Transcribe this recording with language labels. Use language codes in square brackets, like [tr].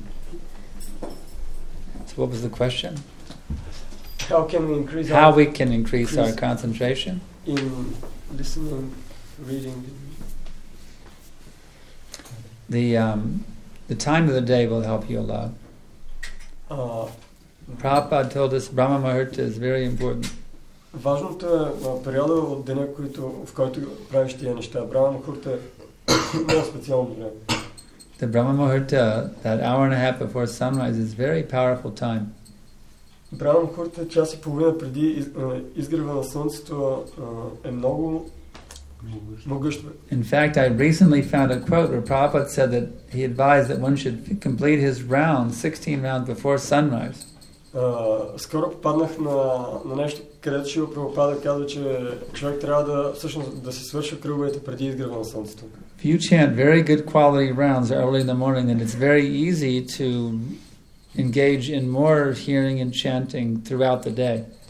[en] So what was the question? How can we increase how we can increase our concentration? In listening, reading. The time of the day will help you a lot. Prabhupada told us Brahma Muhurta is very important. [bg] Важното е периода от деня, в който правиш тия неща. Брахма Мухурта е много специално време. [en] The Brahma Muhurta, that hour and a half before sunrise, is very powerful time. [bg] Брахма Мухурта, час и половина преди изгрева на слънцето, е много могъщ. [en] In fact, I recently found a quote where Prabhupada said that he advised that one should complete his round, 16 rounds before sunrise. [bg] Скоро попаднах на нещо, където Шрила Прабхупада казва, че човек трябва да всъщност да се свърши кръговете преди изгрева на слънцето. [en] If you chant very good quality rounds early in the morning, then it's very easy to engage in more hearing and chanting throughout the day.